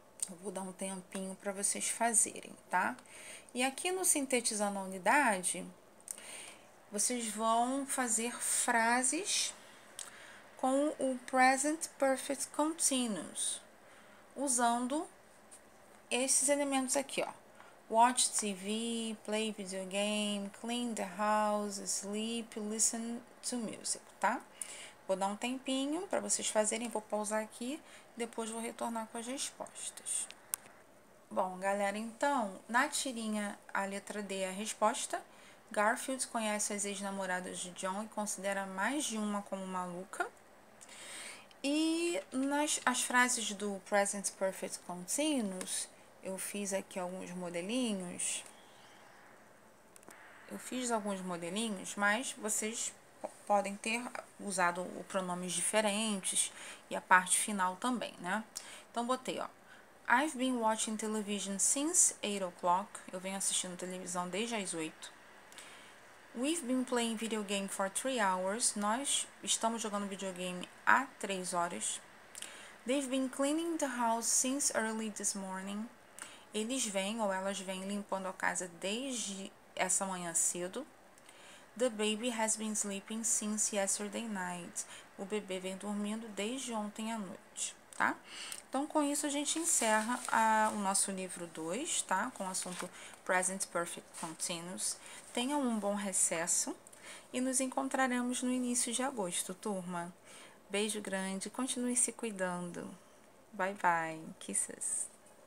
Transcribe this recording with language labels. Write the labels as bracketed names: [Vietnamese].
[Portuguese] Eu vou dar um tempinho para vocês fazerem, tá? E aqui no Sintetizando a Unidade, vocês vão fazer frases com o Present Perfect Continuous, usando esses elementos aqui, ó. [English] Watch TV, play video game, clean the house, sleep, listen to music, tá? [Portuguese] Vou dar um tempinho para vocês fazerem, vou pausar aqui, depois vou retornar com as respostas. Bom, galera, então, na tirinha, a letra D é a resposta. Garfield conhece as ex-namoradas de John e considera mais de uma como maluca. E as frases do Present Perfect Continuous, eu fiz aqui alguns modelinhos. Eu fiz alguns modelinhos, mas vocês podem ter usado os pronomes diferentes e a parte final também, né? Então, botei, ó. [English] I've been watching television since 8 o'clock. [Portuguese] Eu venho assistindo televisão desde as 8. [English] We've been playing video game for 3 hours. [Portuguese] Nós estamos jogando videogame há 3 horas. [English] They've been cleaning the house since early this morning. [Portuguese] Eles vêm ou elas vêm limpando a casa desde essa manhã cedo. [English] The baby has been sleeping since yesterday night. [Portuguese] O bebê vem dormindo desde ontem à noite, tá? Então, com isso, a gente encerra o nosso livro 2, tá? Com o assunto Present Perfect Continuous. Tenha um bom recesso e nos encontraremos no início de agosto, turma. Beijo grande, continue se cuidando. [English] Bye bye, kisses.